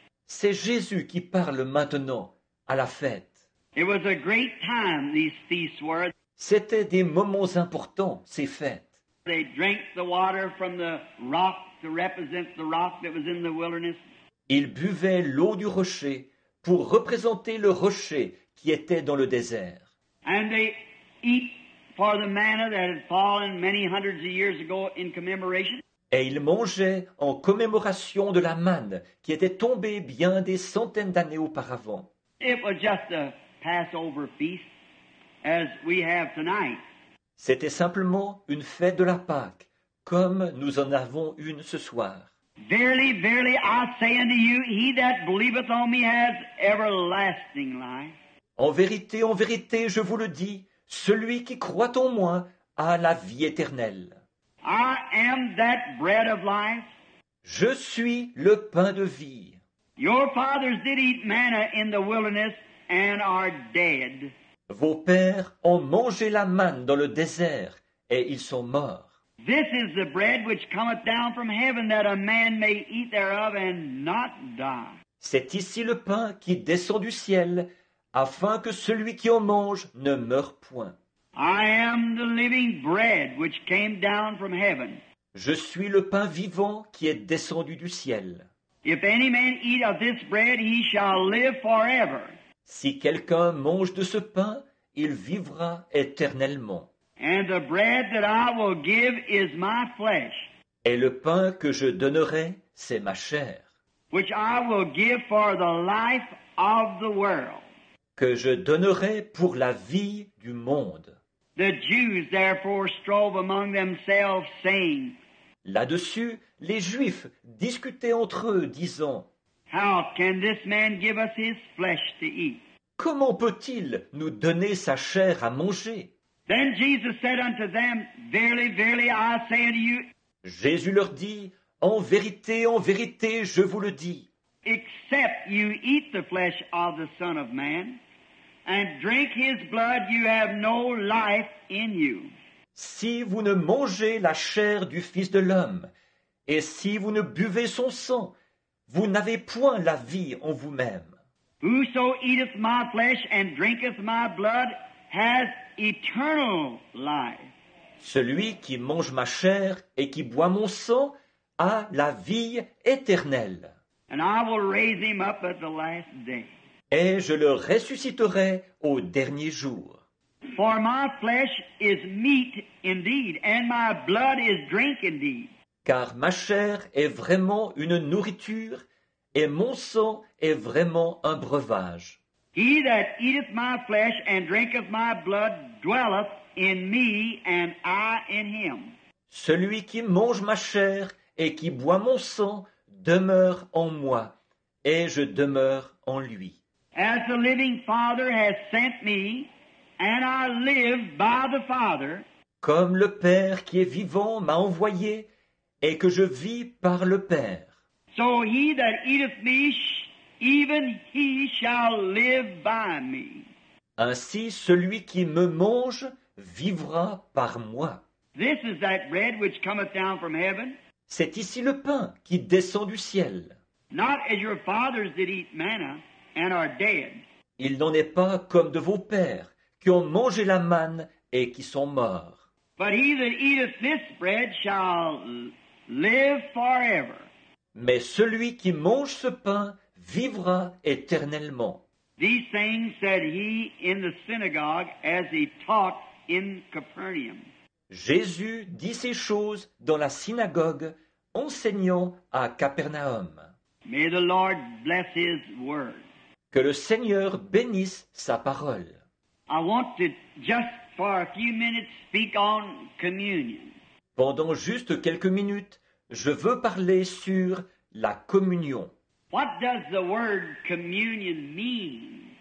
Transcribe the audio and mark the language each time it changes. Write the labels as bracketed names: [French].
[French] C'est Jésus qui parle maintenant à la fête. [English] It was a great time, these feasts were. [French] C'était des moments importants, ces fêtes. [English] They drank the water from the rock to represent the rock that was in the wilderness. [French] Ils buvaient l'eau du rocher pour représenter le rocher qui était dans le désert. [English] And they eat for the manna that had fallen many hundreds of years ago in commemoration. [French] Et ils mangeaient en commémoration de la manne qui était tombée bien des centaines d'années auparavant. [English] It was just a Passover feast, as we have tonight. [French] C'était simplement une fête de la Pâque, comme nous en avons une ce soir. [English] Verily, verily, I say unto you, he that believeth on me has everlasting life. [French] En vérité, je vous le dis, celui qui croit en moi a la vie éternelle. [English] I am that bread of life. [French] Je suis le pain de vie. [English] Your fathers did eat manna in the wilderness and are dead. [French] Vos pères ont mangé la manne dans le désert et ils sont morts. [English] This is the bread which cometh down from heaven that a man may eat thereof and not die. [French] C'est ici le pain qui descend du ciel afin que celui qui en mange ne meure point. [English] I am the living bread which came down from heaven. [French] Je suis le pain vivant qui est descendu du ciel. [English] If any man eat of this bread, he shall live forever. [French] Si quelqu'un mange de ce pain, il vivra éternellement. [English] And the bread that I will give is my flesh. [French] Et le pain que je donnerai, c'est ma chair. [English] Which I will give for the life of the world. [French] Que je donnerai pour la vie du monde. [English] The Jews therefore strove among themselves, saying, [French] là-dessus, les Juifs discutaient entre eux, disant, [English] how can this man give us his flesh to eat? [French] Comment peut-il nous donner sa chair à manger? [English] Then Jesus said unto them, verily, verily, I say unto you, [French] Jésus leur dit, en vérité, je vous le dis, [English] except you eat the flesh of the Son of Man and drink his blood, you have no life in you. [French] Si vous ne mangez la chair du Fils de l'homme et si vous ne buvez son sang, vous n'avez point la vie en vous-même. [English] Whoso eateth my flesh and drinketh my blood has eternal life. [French] Celui qui mange ma chair et qui boit mon sang a la vie éternelle. [English] And I will raise him up at the last day. [French] Et je le ressusciterai au dernier jour. [English] For my flesh is meat indeed, and my blood is drink indeed. [French] Car ma chair est vraiment une nourriture, et mon sang est vraiment un breuvage. [English] He that eateth my flesh and drinketh my blood dwelleth in me, and I in him. [French] Celui qui mange ma chair et qui boit mon sang demeure en moi, et je demeure en lui. [English] As the living Father has sent me, and I live by the Father. [French] Comme le Père qui est vivant m'a envoyé, et que je vis par le Père. [English] So he that eateth me, even he shall live by me. [French] Ainsi celui qui me mange vivra par moi. [English] This is that bread which cometh down from heaven. [French] C'est ici le pain qui descend du ciel. [English] Not as your fathers did eat manna and are dead. [French] Il n'en est pas comme de vos pères qui ont mangé la manne et qui sont morts. [English] But he that eateth this bread shall live forever. [French] Mais celui qui mange ce pain vivra éternellement. [English] These things said he in the synagogue as he taught in Capernaum. [French] Jésus dit ces choses dans la synagogue, enseignant à Capernaum. [English] May the Lord bless his word. [French] Que le Seigneur bénisse sa parole. [English] I want to just for a few minutes speak on communion. [French] Pendant juste quelques minutes, je veux parler sur la communion. [English] What does the word communion mean?